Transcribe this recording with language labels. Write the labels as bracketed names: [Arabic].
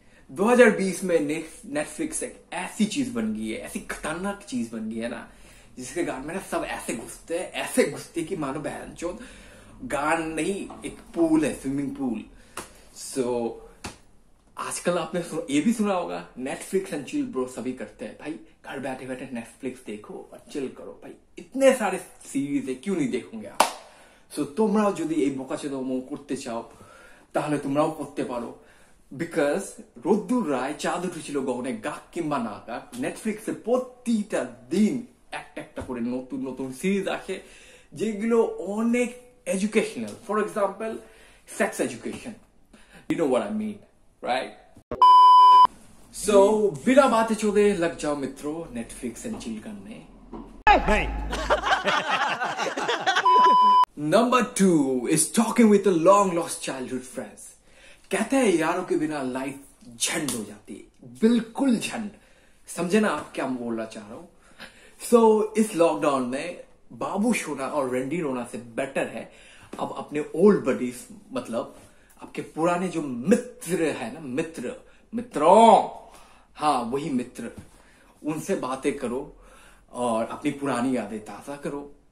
[Hindi] 2020 में Netflix एक ऐसी चीज बन गई है, ऐसी खतरनाक चीज बन गई है ना, जिसके गान में ना सब ऐसे घुसते कि मानो बहनचोद गान नहीं एक पूल है, स्विमिंग पूल। सो आजकल आपने ये भी सुना होगा, Netflix एंड चिल ब्रो सभी करते हैं। भाई घर बैठे बैठे Netflix देखो और चिल करो। भाई इतने सारे सीरीज है, क्यों नहीं देखूंगे आप? [Bangla] So, তোমরাও যদি এই বোকা চোদা মো করতে চাও তাহলে তোমরাও করতে পারো। বিকজ রোদ্দুর রায় চাঁদ উঠেছিল গগনে গাক কিংবা না গাক, নেটফ্লিক্স এ প্রতিটা দিন একটা একটা করে নতুন নতুন সিরিজ আসে যেগুলো অনেক educational. [English] For example sex education, you know what I mean, right? [Hindi] So বিনা বাতে চোদে লাগ যাও মিত্র Netflix and chill করনে। [English] Number two is talking with a long lost childhood friends. [Hindi] कहते हैं यारों के बिना लाइफ झंड हो जाती है, बिल्कुल झंड, समझे ना आप क्या बोलना चाह रहा हूं। सो इस लॉकडाउन में बाबू शोना और रेंडी रोना से बेटर है अब अपने ओल्ड बडीज, मतलब आपके पुराने जो मित्र है ना, मित्रों, हाँ वही मित्र, उनसे बातें करो और अपनी पुरानी यादें ताजा करो।